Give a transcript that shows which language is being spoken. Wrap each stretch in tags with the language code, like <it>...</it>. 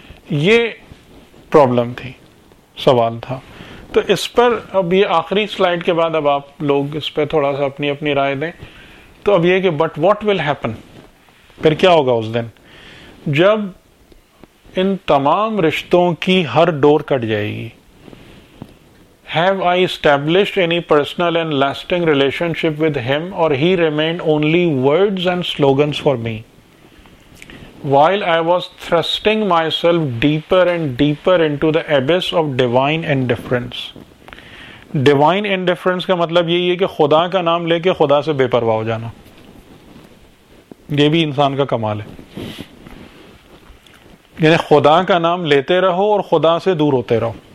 <ur>یہ پرابلم تھی, سوال تھا. تو اس پر اب یہ آخری سلائیڈ کے بعد اب آپ لوگ اس پہ تھوڑا سا اپنی اپنی رائے دیں. تو اب یہ کہ</ur> <en>but what will happen,</en> <ur>پھر کیا ہوگا اس دن جب ان تمام رشتوں کی ہر ڈور کٹ جائے گی.</ur> <en>Have I established any personal and lasting relationship with him or he remained only words and slogans for me while I was thrusting myself deeper and deeper into the abyss of divine indifference.</en> <ur>Divine indifference کا مطلب یہی ہے کہ خدا کا نام لے کے خدا سے بے پرواہ ہو جانا, یہ بھی انسان کا کمال ہے. یعنی خدا کا نام لیتے رہو اور خدا سے دور ہوتے رہو.</ur>